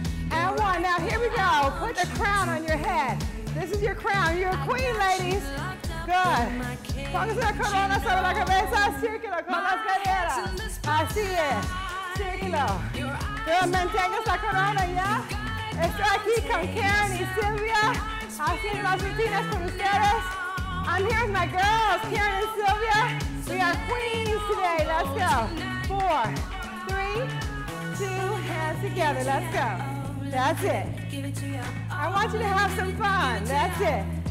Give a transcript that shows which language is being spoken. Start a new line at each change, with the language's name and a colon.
English: And one, now here we go. Put the crown on your head. This is your crown. You're a queen, ladies. Good.
Spanish: Pongas la corona sobre la cabeza. Círculo con las caderas. Así es. Círculo. Good. Mantengas la corona, ya. Estoy aquí con Karen y Silvia. Así en las rutinas con ustedes.
English: I'm here with my girls, Karen and Silvia. We are queens today. Let's go. Four, three, two, hands together. Let's go. That's it. I want you to have some fun. That's it.